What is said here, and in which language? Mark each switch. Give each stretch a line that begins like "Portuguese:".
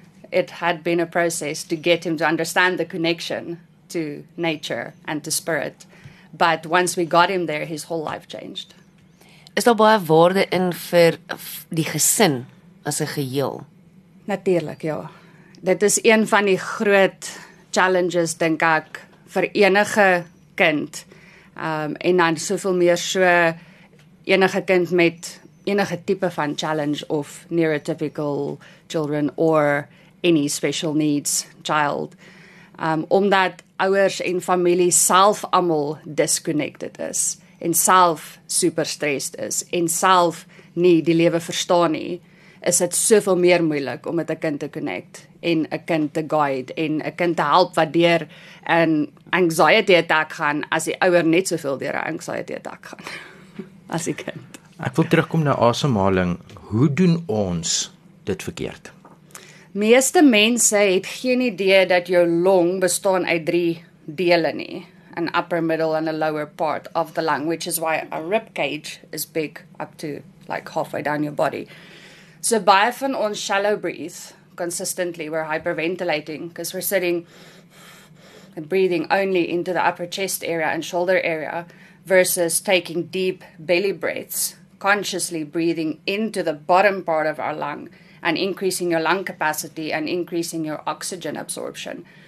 English: It had been a process to get him to understand the connection to nature and to spirit. But once we got him there, his whole life changed.
Afrikaans: Is daar baie waarde in vir die gesin as 'n geheel? Natuurlik, ja. Dit is een van die groot challenges, dink ek, vir enige kind. En dan soveel meer so enige kind met enige tipe van challenge of
English: neurotypical children or any special needs child.
Afrikaans: Omdat ouers en familie self almal disconnected is en self super stressed is en self nie die lewe verstaan nie, is dit soveel meer moeilik om met 'n kind te connect en 'n kind te guide en 'n kind te help wat deur 'n anxiety attack gaan as die ouer net soveel deur 'n anxiety attack gaan as die kind. Ek wil terugkom na asemhaling. Hoe doen ons dit verkeerd? Meeste mense het geen idee dat jou long bestaan uit 3 dele nie.
English: An upper, middle and a lower part of the lung, which is why a rib cage is big up to like halfway down your body.
Afrikaans: So baie van ons
English: shallow breathe consistently, we're hyperventilating because we're sitting and breathing only into the upper chest area and shoulder area versus taking deep belly breaths, consciously breathing into the bottom part of our lung and increasing your lung capacity and increasing your oxygen absorption.